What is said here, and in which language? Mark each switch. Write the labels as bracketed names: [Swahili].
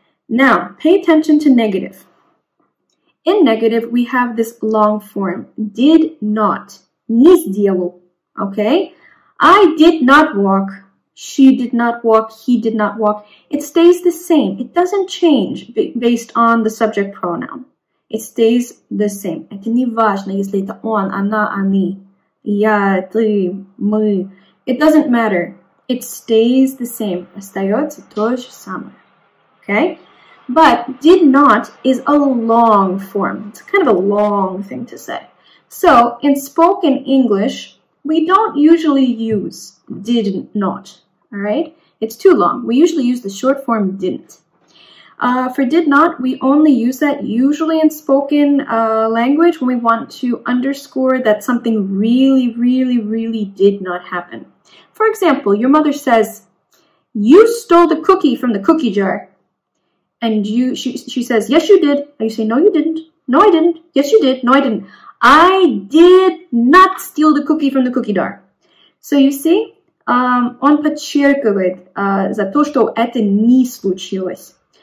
[English] Now pay attention to negative. In negative, we have this long form, did not, [Russian] не сделал, [English] okay? I did not walk, she did not walk, he did not walk. It stays the same. It doesn't change based on the subject pronoun. It stays the same. [Russian] Это не важно, если это он, она, они, я, ты, мы. [English] It doesn't matter. It stays the same. [Russian] Остается то же самое, okay? [English] But did not is a long form. It's kind of a long thing to say. So in spoken English, we don't usually use did not, all right? It's too long. We usually use the short form didn't. For did not, we only use that usually in spoken language when we want to underscore that something really, really, really did not happen. For example, your mother says, you stole the cookie from the cookie jar. And you, she says, yes, you did. And you say, no, you didn't. No, I didn't. Yes, you did. No, I didn't. I did not steal the cookie from the cookie jar. So you see, [Russian] он подчеркивает за то, что это не случилось.